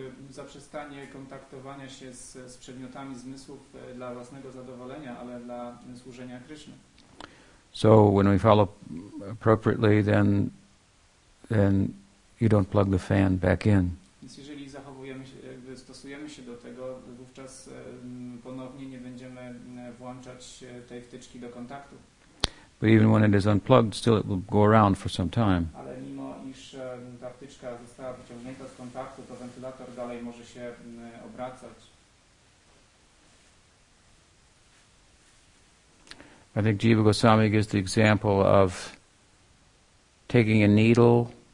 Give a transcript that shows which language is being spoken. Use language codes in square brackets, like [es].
[pl] Zaprzestanie kontaktowania się z przedmiotami zmysłów dla własnego zadowolenia, ale dla służenia Krishna. [en] So when we follow appropriately, then you don't plug the fan back in. [pl] Więc jeżeli zachowujemy się, jakby stosujemy się do tego, wówczas ponownie nie będziemy włączać tej wtyczki do kontaktu. [en] But even when it is unplugged, still it will go around for some time. [pl] Ale mimo iż ta wtyczka została wyciągnięta z kontaktu, to wentylator dalej może się obracać. [en] I think Jiva Goswami gives the example of taking a needle.